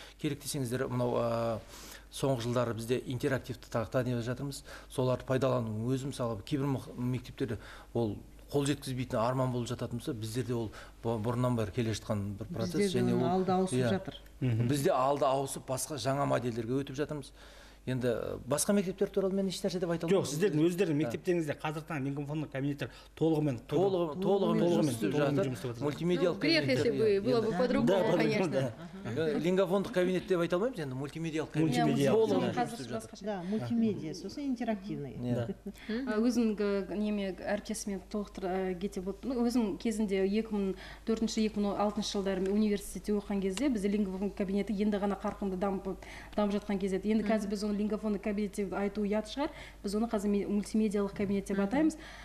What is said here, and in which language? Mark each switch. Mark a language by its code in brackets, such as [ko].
[kk] Керек десеңіздер, мынау соңғы жылдары бізде интерактивті тақта деп жатырмыз, соларды пайдалану өзі мысалы кейбір мектептерде ол қол жеткізбейтін арман болып жататын болса, біздерде ол бұрыннан бері келе жатқан бір процесс. Және ол алды ауысып жатыр. Бізде алды ауысып басқа жаңа модельдерге өтіп жатырмыз. Енді басқа мектептер туралы мен еш нәрсе деп айта алмаймын. Жоқ, сіздердің өздеріңіз мектептеріңізде қазіргі таңда лингвофондық кабинеттер толығымен жұмыс істеп жатыр. Мультимедиалық кабинеттер. [ru] Если бы было бы по-другому, конечно. [kk] Лингвофондық кабинет деп айта алмаймыз, енді мультимедиалық кабинет. Мультимедиа. [ru] Да, мультимедиа, [kk] сосын [ru] интерактивный. [kk] Өзімнің неме әріптесіммен толықтыра кете болды. Ну, өзім кезінде 2004-2006 жылдары университетте оқыған кезде бізде лингвофондық кабинеті енді ғана қарқынды дамып жатқан кезде. Енді қазір біз оны лингафонды кабинет деп айту ұят шығар, біз оны қазір мультимедиалық кабинет деп атаймыз.